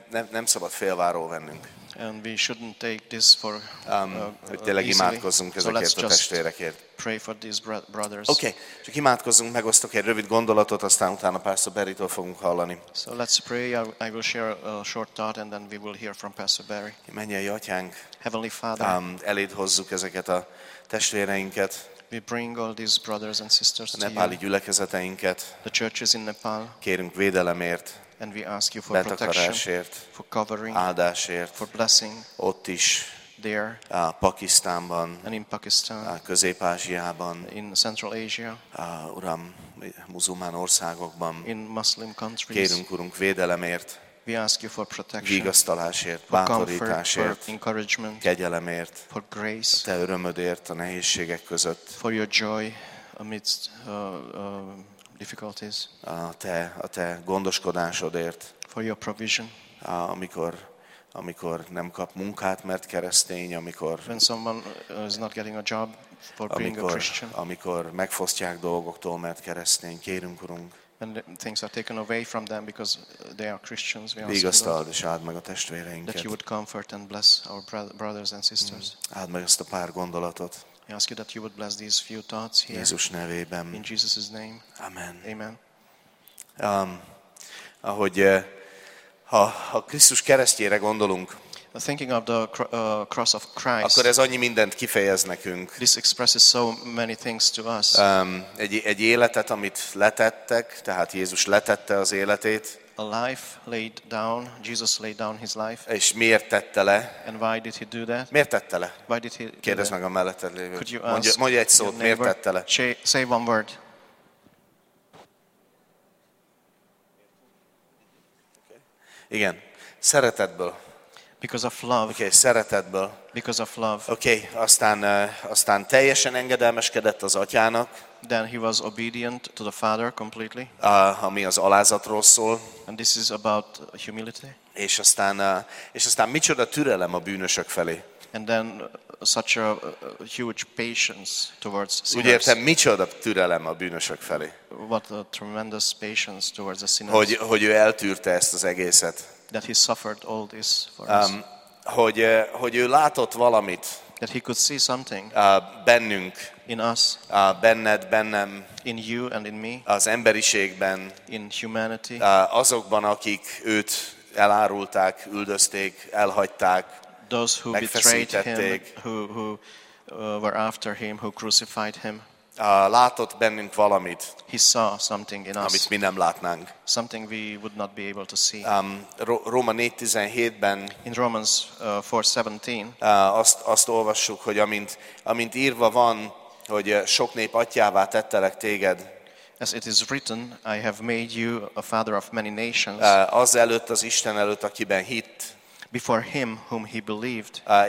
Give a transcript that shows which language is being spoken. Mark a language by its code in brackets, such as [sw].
[hu] Nem szabad félváról vennünk. [en] And we shouldn't take this for [hu] tényleg imádkozzunk ezekért a testvérekért. [en] Pray for these brothers. [hu] Okay, csak imádkozzunk, megosztok egy rövid gondolatot, aztán utána Pastor Barrytól fogunk hallani. [en] So let's pray. I will share a short thought and then we will hear from Pastor Barry. [hu] Mennyei Atyánk, [en] Heavenly Father, [hu] eléd hozzuk ezeket a testvéreinket. [en] We bring all these brothers and sisters to you. [hu] A nepáli gyülekezeteinket. [en] The churches in Nepal. [hu] Kérünk védelemért. [en] And we ask you for protection, for covering, [hu] áldásért, [en] for blessing. [hu] Ott is, [en] there, [hu] Pakisztánban, [en] and in Pakistan, [hu] Közép-Ázsiában, [en] in Central Asia, [hu] Uram, muzulmán országokban, [en] in Muslim countries. [hu] Kérünk, Urunk, védelemért, [en] we ask you for protection, [hu] vigasztalásért, [en] for [hu] bátorításért, [en] for encouragement, [hu] kegyelemért, [en] for grace, [hu] te örömödért a nehézségek között, [en] for your joy amidst difficulties. [hu] A te gondoskodásodért. [en] For your provision. [hu] Amikor nem kap munkát, mert keresztény, amikor. [en] When someone is not getting a job for being a Christian. [hu] Amikor megfosztják dolgoktól, mert keresztény, kérünk, Urunk. [en] When things are taken away from them because they are Christians, we ask. [hu] Vigasztald és áld meg a testvéreinket. [en] That you would comfort and bless our brothers and sisters. [hu] Áld meg ezt a pár gondolatot. [en] I ask you that you would bless these few thoughts here. [hu] Jézus nevében. [en] In Jesus' name. [hu] Amen. [en] Amen. [hu] Ahogy ha Krisztus keresztjére gondolunk, [en] thinking of the cross of Christ, [hu] akkor ez annyi mindent kifejez nekünk. [en] This expresses so many things to us. [hu] Egy életet, amit letettek, tehát Jézus letette az életét. [en] A life laid down, Jesus laid down his life. [hu] És miért tette le? [en] And why did he do that? [hu] Miért tette le? [en] Why did he? [hu] Kérdezz meg a melletted lévőt. [en] Could you ask? [hu] Mondj egy szót, miért tette le? [en] Say one word. Okay. [hu] Igen, szeretetből. [en] Because of love. [hu] Okay, szeretetből. [en] Because of love. [hu] Okay, aztán teljesen engedelmeskedett az Atyának. [en] Then he was obedient to the Father completely. [hu] Ami az alázatról szól. [en] And this is about humility. [hu] És aztán micsoda türelem a bűnösök felé. [en] And then such a huge patience towards sinners. [hu] Úgy értem, micsoda türelem a bűnösök felé. [en] What a tremendous patience towards the sinners. [hu] Hogy ő eltűrte ezt az egészet. [en] That he suffered all this for us. [hu] Hogy ő látott valamit. [en] That he could see something. [hu] Bennünk. [en] In us. [hu] Benned, bennem. [en] In you and in me. [hu] Az emberiségben. [en] In humanity. [hu] Azokban, akik őt elárulták, üldözték, elhagyták, [en] those who betrayed him, who were after him, who crucified him. [hu] Látott bennünk valamit, [en] he saw something in us, [hu] amit mi nem látnánk. [en] Something we would not be able to see. [hu] Róma 4:17-ben [en] in Romans 4:17 [hu] azt olvassuk, hogy amint írva van, hogy sok nép atyává tettelek téged. [en] As it is written, I have made you a father of many nations. [hu] Az előtt, az Isten előtt, akiben hitt. [en] Before him whom he believed.